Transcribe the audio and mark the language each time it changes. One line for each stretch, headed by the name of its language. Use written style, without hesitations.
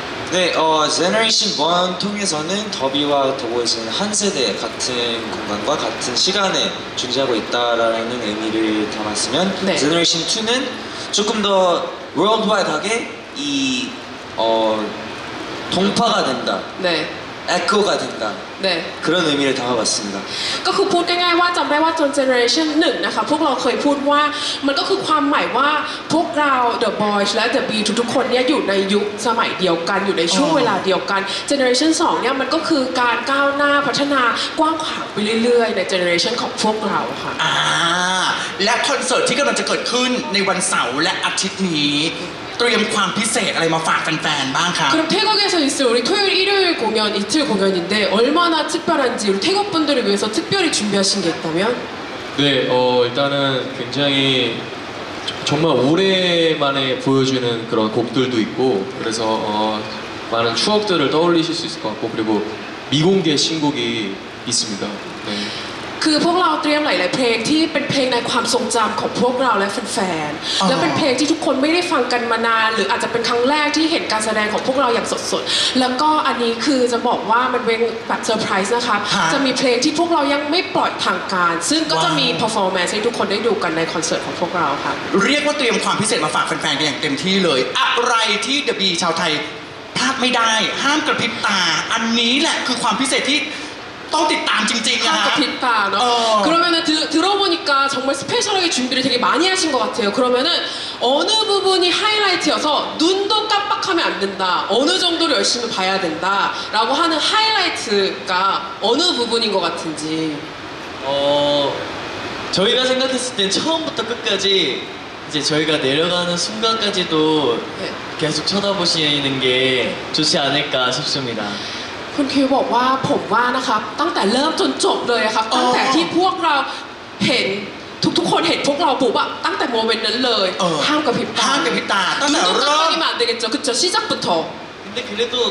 Korean: 네, Generation 1 통해서는 더비와 더보이즈는 한 세대 같은 공간과 같은 시간에 존재하고 있다라는 의미를 담았으면 네. Generation 2는 조금 더 worldwide하게 이 동파가 된다 네. 에코가 된다 네. 그런 의미를 담아봤습니다
Thai: ก็คือพูดง่ายๆว่าจำได้ว่าตอน Generation 1นะคะพวกเราเคยพูดว่ามันก็คือความหมายว่าพวกเรา The Boys และ The Bee ทุกๆคนเนี่ยอยู่ในยุคสมัยเดียวกันอยู่ในช่วงเวลาเดียวกัน Generation 2เนี่ยมันก็คือการก้าวหน้าพัฒนากว้างขวางไปเรื่อยๆใน Generation ของพวกเราค่ะและคอนเสิร์ตที่กำลังจะเกิดขึ้นในวันเสาร์และอาทิตย์นี้ เตรียมความพิเศษอะไรมาฝากแฟนๆบ้างคะ
Korean: 그럼 태국에서 있을 우리 토요일 일요일 공연 이틀 공연인데 얼마나 특별한지 우리 태국 분들을 위해서 특별히 준비하신 게 있다면? 네 일단은 굉장히 정말 오랜만에 보여주는 그런 곡들도 있고 그래서 많은 추억들을 떠올리실 수 있을 것 같고 그리고 미공개 신곡이 있습니다. 네.
Thai: คือพวกเราเตรียมหลายๆเพลงที่เป็นเพลงในความทรงจำของพวกเราและแฟนๆและเป็นเพลงที่ทุกคนไม่ได้ฟังกันมานานหรืออาจจะเป็นครั้งแรกที่เห็นการแสดงของพวกเราอย่างสดๆแล้วก็อันนี้คือจะบอกว่ามันเป็นแบบเซอร์ไพรส์นะครับจะมีเพลงที่พวกเรายังไม่ปล่อยทางการซึ่งก็จะมีเพอร์ฟอร์แมนซ์ให้ทุกคนได้ดูกันในคอนเสิร์ตของพวกเราครับ เรียกว่าเตรียมความพิเศษมาฝากแฟนๆอย่างเต็มที่เลยอะไรที่ The Bee ชาวไทยพลาดไม่ได้ห้ามกระพริบตาอันนี้แหละคือความพิเศษที่ ต้องติดตามจริงๆนะ
Korean: 그러면은 들어보니까 정말 스페셜하게 준비를 되게 많이 하신 것 같아요. 그러면은 어느 부분이 하이라이트여서 눈도 깜빡하면 안 된다, 어느 정도로 열심히 봐야 된다 라고 하는 하이라이트가 어느 부분인 것 같은지. 저희가 생각했을 땐 처음부터 끝까지 이제 저희가 내려가는 순간까지도 계속 쳐다보시는 게 좋지 않을까 싶습니다.
Thai: คุณคิดว่าผมว่านะครับตั้งแต่เริ่มจนจบเลยครับตั้งแต่ที่พวกเราเห็นทุกๆคนเห็นพวกเราปุ๊บอะตั้งแต่โมเมนต์นั้นเลยห้ามกระพริบตาห้ามกระพริบตาแต่เริ่มต้นก็ไม่มาเด็กจ๋อคือจะซีซั่นปุ๊บเดี